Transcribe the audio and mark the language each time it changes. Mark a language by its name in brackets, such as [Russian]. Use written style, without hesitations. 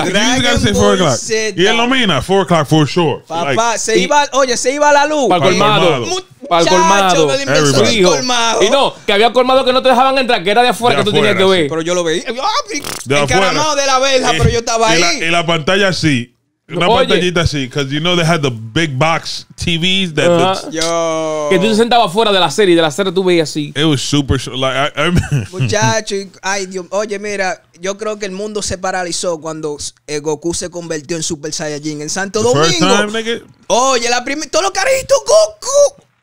[English] You got to say 4 o'clock. [Spanish] Y él lo mina, [English] 4 o'clock for sure. [Spanish] Papá, like, se iba la luz. Para el colmado. Para el colmado. Everybody. Para el colmado. Y no, que había colmado que no te dejaban entrar, que era de afuera, que tú tenías que ver. Pero yo lo veía. De afuera. Encaramado de la verja, pero yo estaba ahí. Y la pantalla sí. Una pantallita así, [English] because you know they had the big box TVs that uh-huh. looked... [Spanish] Yo. Que tú te sentabas fuera de la serie, tú veías así. [English] It was super... Like, [Spanish] muchacho, ay, Dios. Oye, mira, yo creo que el mundo se paralizó cuando Goku se convirtió en Super Saiyajin en Santo [English] the [Spanish] Domingo. [English] First time, nigga. [Spanish] Oye, la primera... Todos los carajitos, Goku.